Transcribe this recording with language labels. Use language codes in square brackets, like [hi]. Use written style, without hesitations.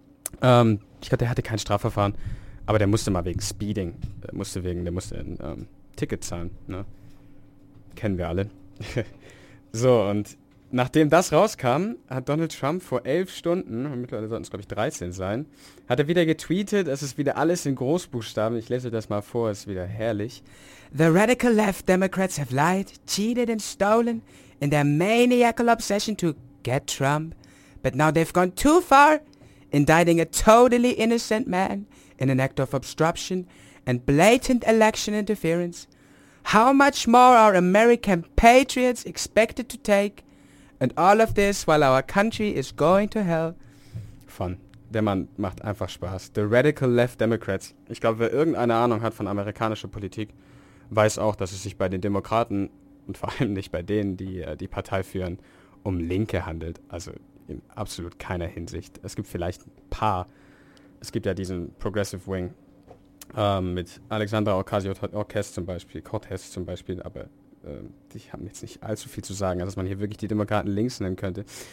[de] Ich glaube, der hatte kein Strafverfahren, aber der musste mal wegen Speeding, der musste ein Ticket zahlen, ne? Kennen wir alle. So, und nachdem das rauskam, hat Donald Trump vor 11 Stunden, mittlerweile sollten es glaube ich 13 sein, hat er wieder getweetet, es ist wieder alles in Großbuchstaben, ich lese das mal vor, ist wieder herrlich. [en] The radical left Democrats have lied, cheated and stolen in their maniacal obsession to get Trump, but now they've gone too far. Indicting a totally innocent man in an act of obstruction and blatant election interference. How much more are American patriots expected to take? And all of this while our country is going to hell. [de] Fun. Der Mann macht einfach Spaß. [en] The radical left Democrats. [de] Ich glaube, wer irgendeine Ahnung hat von amerikanischer Politik, weiß auch, dass es sich bei den Demokraten und vor allem nicht bei denen, die die Partei führen, um Linke handelt. Also in absolut keiner Hinsicht. Es gibt vielleicht ein paar. Es gibt ja diesen Progressive Wing mit Alexandra Ocasio-Cortez zum Beispiel, aber die haben jetzt nicht allzu viel zu sagen, also dass man hier wirklich die Demokraten links nennen könnte.